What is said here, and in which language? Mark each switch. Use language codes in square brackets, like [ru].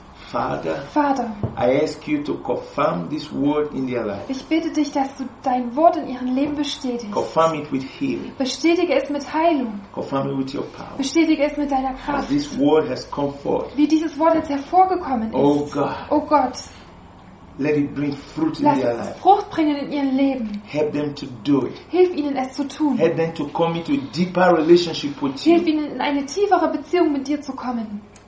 [en] Vater, I ask you to confirm this word in their life. [de] Ich bitte dich, dass du dein Wort in ihrem Leben bestätigst. [en] Confirm it with healing. [de] Bestätige es mit Heilung. [en] Confirm it with your power. [de] Bestätige es mit deiner Kraft. [en] As this word has come forth. [de] Wie dieses Wort jetzt hervorgekommen ist. [en] Oh God. [de] Oh Gott. [en] Let it bring fruit in [de] Lass [en] their life. [de] Frucht bringen in ihrem Leben. [en] Help them to do it. [de] Hilf ihnen es zu tun. [en] Help them to come into a deeper relationship with you. [de] Hilf ihnen in eine tiefere Beziehung mit dir zu kommen.